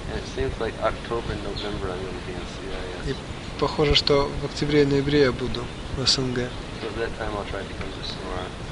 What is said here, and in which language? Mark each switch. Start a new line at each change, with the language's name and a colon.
English: And it seems like October and November I'm going to be in CIS.
Russian: И похоже, что в октябре и ноябре я буду в СНГ.
English: So that time I'll try to come to Samara.